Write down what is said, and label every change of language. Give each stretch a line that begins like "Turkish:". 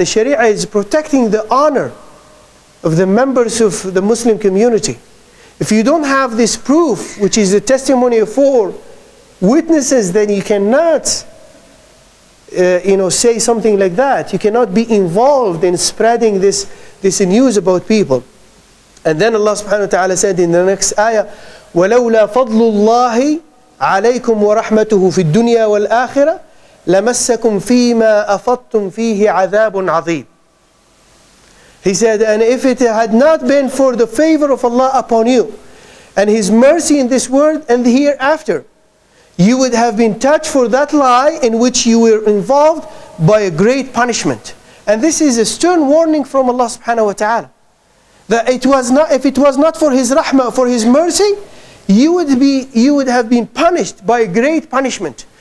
English: The Sharia is protecting the honor of the members of the Muslim community. If you don't have this proof, which is the testimony of four witnesses, then you cannot say something like that. You cannot be involved in spreading this news about people. And then Allah subhanahu wa ta'ala said in the next ayah,
Arabic: وَلَوْلَا فَضْلُ اللَّهِ عَلَيْكُمْ وَرَحْمَتُهُ فِي الدُّنْيَا وَالْآخِرَةِ لَمَسَّكُمْ فِي مَا أَفَضْتُمْ فِيهِ عَذَابٌ عَظِيمٌ.
English: He said, and if it had not been for the favor of Allah upon you and His mercy in this world and the hereafter, you would have been touched for that lie in which you were involved by a great punishment. And this is a stern warning from Allah subhanahu wa ta'ala. That it was not, if it was not for His rahmah, for His mercy, you would have been punished by a great punishment.